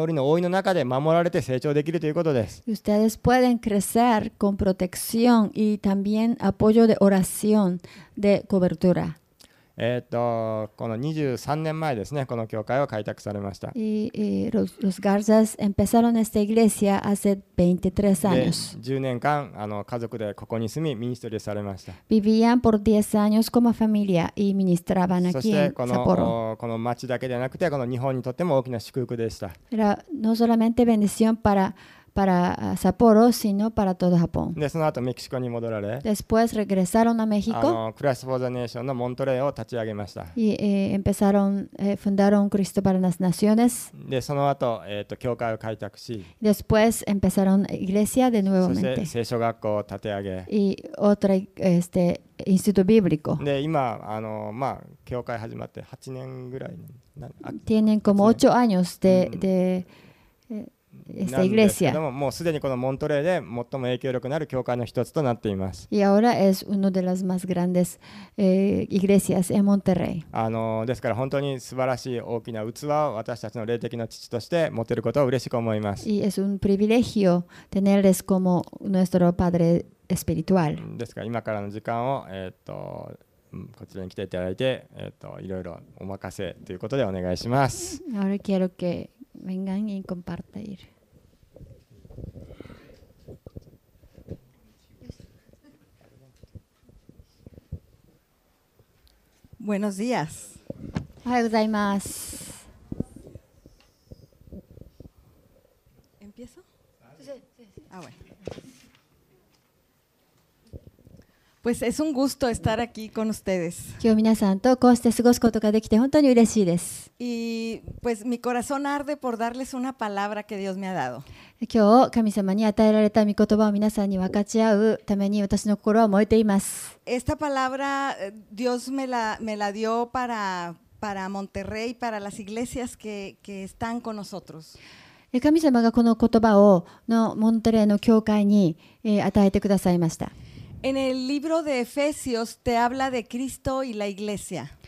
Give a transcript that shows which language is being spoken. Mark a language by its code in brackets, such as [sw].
[ja] ですから皆さんもこの守りと祈りの大いの中で守られて成長できるということです。 [es] Ustedes pueden crecer con protección y también apoyo de oración de cobertura. [ja] この 23 年前ですね、この教会を開拓されました。 [es] Los Garzas empezaron esta iglesia hace 23 años. [ja] 10年間家族でここに住み、ミニストリーされました。 [es] Vivían por 10 años como familia y ministraban aquí en Sapporo. [ja] そしてこの町だけでなくて、この日本にとっても大きな祝福でした。 [es] Era no solamente bendición para Sapporo, sino para todo Japón. [ja] でその後メキシコに戻られ、 [es] Después regresaron a México. [ja] Christ for the Nation のモントレイを立ち上げました。 [es] Y empezaron fundaron Cristo para las Naciones. [ja] でその後教会を開拓し、 [es] Después empezaron Iglesia de nuevamente. [ja] そして聖書学校を立て上げ、 [es] Y otra este Instituto Bíblico. [ja] で今教会始まって8年ぐらい、 [es] Tienen como 8 años de esta iglesia. [ja] もうすでにこのモントレイで最も影響力のある教会の一つとなっています。 [es] Y ahora es una de las más grandes iglesias en Monterrey. [ja] ですから本当に素晴らしい大きな器を私たちの霊的な父として持てることを嬉しく思います。 [es] Y es un privilegio tenerles como nuestro padre espiritual. [ja] ですから今からの時間をこちらに来ていただいて、いろいろお任せということでお願いします。 [es] Ahora quiero que vengan y compartir. Buenos días. Hola, gozaimasu. ¿Empiezo? Sí. Ah, bueno. Pues es un gusto estar aquí con ustedes. [ja] 今日皆さんとこうして過ごすことができて本当に嬉しいです。 [es] Y pues mi corazón arde por darles una palabra que Dios me ha dado. [ja] 今日神様に与えられた御言葉を皆さんに分かち合うために私の心は燃えています。 [es] Esta palabra Dios me la dio para Monterrey, para las iglesias que están con nosotros. [ja] 神様がこの言葉をのモンテレイの教会に与えてくださいました。 [es] En el libro de Efesios te habla de Cristo y la iglesia.